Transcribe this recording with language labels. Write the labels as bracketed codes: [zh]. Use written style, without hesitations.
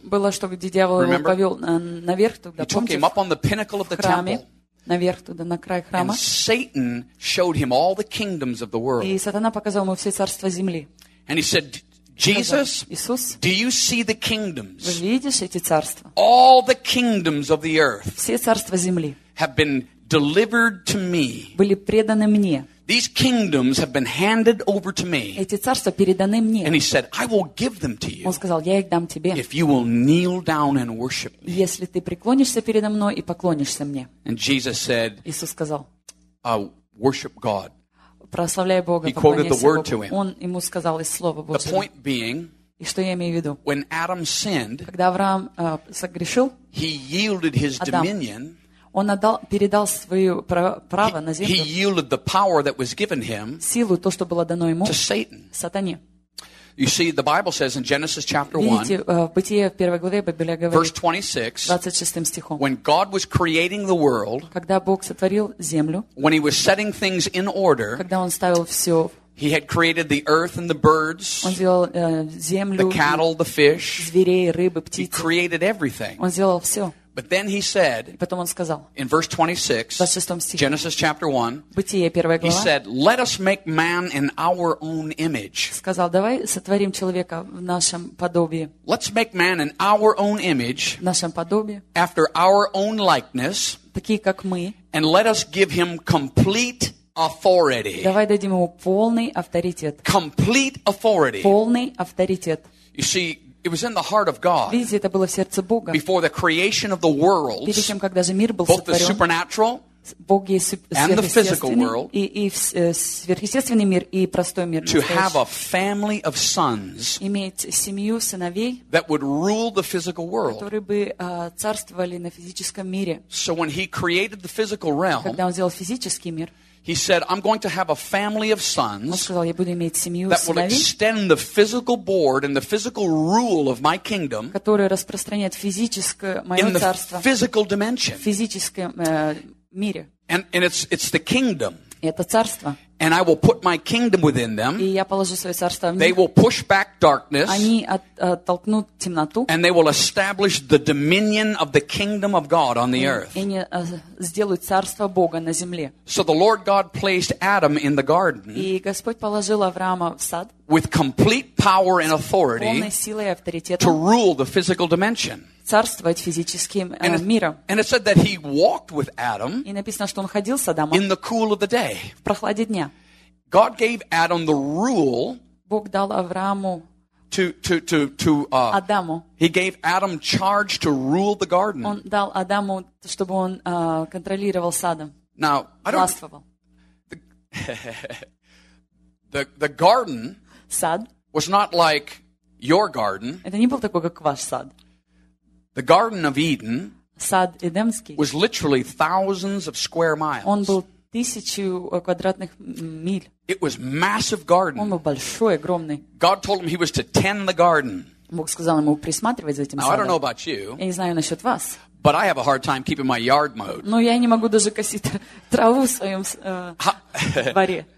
[ru] Было, что где дьявол его повел наверх туда. [en] He took him up on the pinnacle of the temple. [ru] Наверх туда, на край храма. [en] And Satan showed him all the kingdoms of the world. [ru] И сатана показал ему все царства земли. [en] And he said, Jesus, [ru] Иисус, [en] do you see the kingdoms? [ru] Вы видишь эти царства? [en] All the kingdoms of the earth [ru] все царства земли [en] have been delivered to me. [ru] Были преданы мне. [en] These kingdoms have been handed over to me. [ru] Эти царства переданы мне. [en] And he said, I will give them to you. [ru] Он сказал, я их дам тебе. [en] If you will kneel down and worship me. [ru] Если ты преклонишься передо мной и поклонишься мне. [en] And Jesus said, [ru] Иисус сказал, [en] I worship God. [ru] Прославляй Бога, [en] he quoted the word to him. [ru] Он ему сказал из слова Божьего. [en] The point being, [ru] и что я имею в виду? [en] When Adam sinned, [ru] когда Авраам согрешил, [en] he yielded his dominion. [ru] Он отдал, передал свое право на землю. [en] He yielded the power that was given him, [ru] силу, то, что было дано ему, [en] to Satan. [ru] Сатане. [en] You see, the Bible says in Genesis chapter [ru] 1, видите, в Бытие, в первой главе, Библия говорит, [en] verse 26, [ru] 26 стихом, [en] when God was creating the world, [ru] когда Бог сотворил землю, [en] when he was setting things in order, [ru] когда он ставил все, [en] he had created the earth and the birds, [ru] он сделал, землю, [en] the cattle, the fish, [ru] зверей, рыбы, птицы, [en] he created everything. [ru] Он сделал все. [en] But then he said, [ru] потом он сказал, [en] in verse 26, [ru] стихе, [en] Genesis chapter 1, [ru] Бытие, первая глава, [en] he said, let us make man in our own image. [ru] Сказал, давай сотворим человека в нашем подобии. [en] Let's make man in our own image, [ru] в нашем подобии, [en] after our own likeness, [ru] такие как мы, [en] and let us give him complete authority. [ru] Давай дадим ему полный авторитет. [en] Complete authority. [ru] Полный авторитет. [en] You see, it was in the heart of God. [ru] Видите, это было в сердце Бога. [en] Before the creation of the worlds, [ru] перед тем, когда же мир был [en] both [ru] сотворен, [en] the supernatural and the physical world, [ru] и сверхъестественный мир и простой мир, [en] to have a family of sons, [ru] иметь семью сыновей, [en] that would rule the physical world, [ru] которые бы царствовали на физическом мире. [en] So when he created the physical realm, [ru] когда он сделал физический мир, [en] he said, I'm going to have a family of sons, [ru] он сказал, я буду иметь семью, [en] that [ru] сыновей, [en] will extend the physical board and the physical rule of my kingdom, [ru] которые распространяют физическое мое [en] in [ru] царство, [en] the physical dimension, [ru] в физическом мире. [en] And it's the kingdom. [ru] Это царство. [en] And I will put my kingdom within them. [ru] И я положу своё царство в них. [en] They will push back darkness. [ru] Они оттолкнут темноту. [en] And they will establish the dominion of the kingdom of God on the earth. [ru] И они сделают царство Бога на земле. [en] So the Lord God placed Adam in the garden. [ru] И Господь положил Авраама в сад. [en] With complete power and authority. [ru] С полной силой и авторитетом. [en] To rule the physical dimension. [ru] Царствовать физическим миром. [en] And it said that he walked with Adam. [ru] И написано, что он ходил с Адамом. [en] In the cool of the day. [ru] В прохладе дня. [en] God gave Adam the rule. [ru] Бог дал Аврааму. [en] To [ru] Адаму. [en] He gave Adam charge to rule the garden. [ru] Он дал Адаму, чтобы он контролировал садом. [en] Now, I don't. [ru] Властвовал. [en] The garden. [ru] Сад. [en] Was not like your garden. [ru] Это не был такой, как ваш сад. [en] The Garden of Eden. [ru] Сад Эдемский. [en] Was literally thousands of square miles. [ru] Он был тысячу квадратных миль. [en] It was massive garden. [ru] Он был большой, огромный. [en] God told him he was to tend the garden. [ru] Бог сказал ему присматривать за этим садом. [en] Now, I don't know about you. [ru] Я не знаю насчет вас. [en] But I have a hard time keeping my yard mowed. [ru] Но я не могу даже косить траву в своем дворе.